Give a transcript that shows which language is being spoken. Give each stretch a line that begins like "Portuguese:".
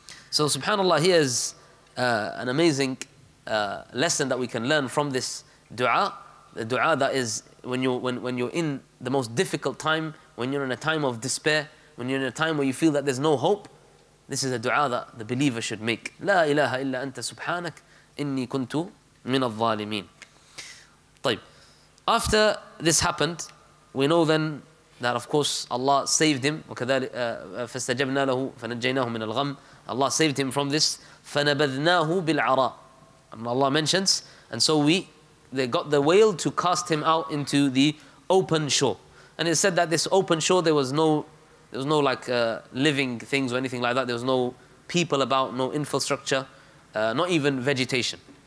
English: So subhanAllah, here is an amazing lesson that we can learn from this dua. The dua that is when you're in the most difficult time, when you're in a time of despair, when you're in a time where you feel that there's no hope, this is a dua that the believer should make.
Arabic: لا إله إلا أنت سبحانك إني كنت من الظالمين.
English: طيب, after this happened, we know then that of course Allah saved him.
Arabic: وكذلك فاستجبنا له فنجيناه من الغم.
English: Allah saved him from this.
Arabic: فنبذناه بالعراء.
English: And Allah mentions, and so they got the whale to cast him out into the open shore. And it said that this open shore, there was no like living things or anything like that. There was no people about, no infrastructure, not even vegetation.